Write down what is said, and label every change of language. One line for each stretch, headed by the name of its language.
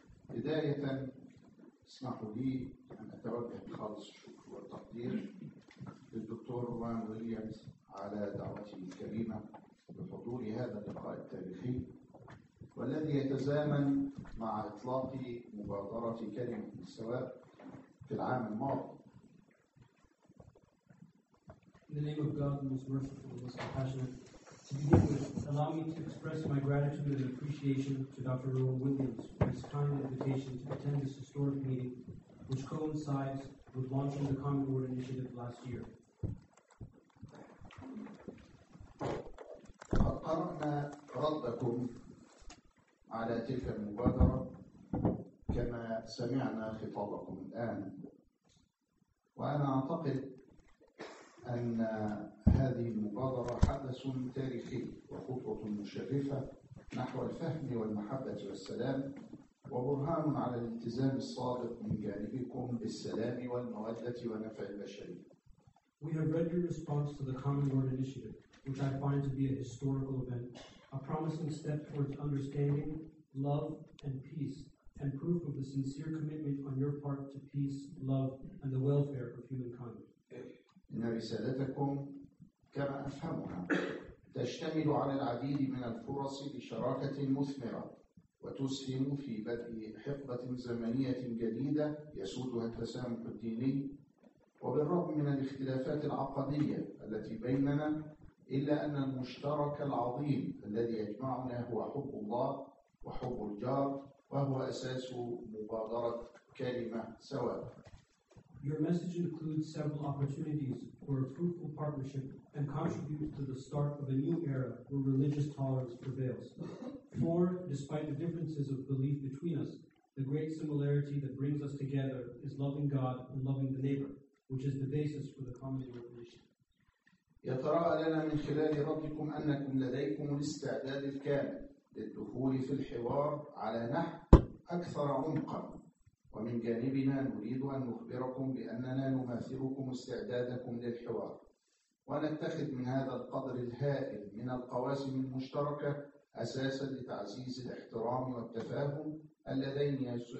Arabic: بداية اسمحوا لي أن أتوجه بخالص الشكر والتقدير للدكتور روان ويليامز على دعوته الكريمة لحضور هذا اللقاء التاريخي، والذي يتزامن مع إطلاق مبادرة كلمة السواء في العام الماضي.
English: In the name of God, most merciful, most compassionate, to begin with, allow me to express my gratitude and appreciation to Dr. Rowan Williams for his kind invitation to attend this historic meeting, which coincides with launching the Common Word Initiative last year.
Arabic: قررنا ردكم على تلك المبادرة كما سمعنا خطابكم الآن، وأنا أعتقد أن هذه المبادرة حدث تاريخي وخطوة مشرفة نحو الفهم والمحبة والسلام، وبرهان على الالتزام الصادق من جانبكم بالسلام والمودة ونفع البشرية.
English: We have read your response to the Common Word Initiative, which I find to be a historical event, a promising step towards understanding, love, and peace, and proof of the sincere commitment on your part to peace, love, and the welfare of humankind.
Arabic: إن رسالتكم كما أفهمها تشتمل على العديد من الفرص لشراكة مثمرة وتسهم في بدء حقبة زمنية جديدة يسودها التسامح الديني، وبالرغم من الاختلافات العقدية التي بيننا إلا أن المشترك العظيم الذي يجمعنا هو حب الله وحب الجار، وهو أساس مبادرة كلمة سواء.
English: Your message includes several opportunities for a fruitful partnership and contributes to the start of a new era where religious tolerance prevails. For, despite the differences of belief between us, the great similarity that brings us together is loving God and loving the neighbor, which is the basis for the common revelation.
Arabic: يتراءى لنا من خلال ردكم أنكم لديكم الاستعداد الكامل للدخول في الحوار على نحو أكثر عمقا، ومن جانبنا نريد أن نخبركم بأننا نماثلكم استعدادكم للحوار، ونتخذ من هذا القدر الهائل من القواسم المشتركة أساسا لتعزيز الاحترام والتفاهم اللذين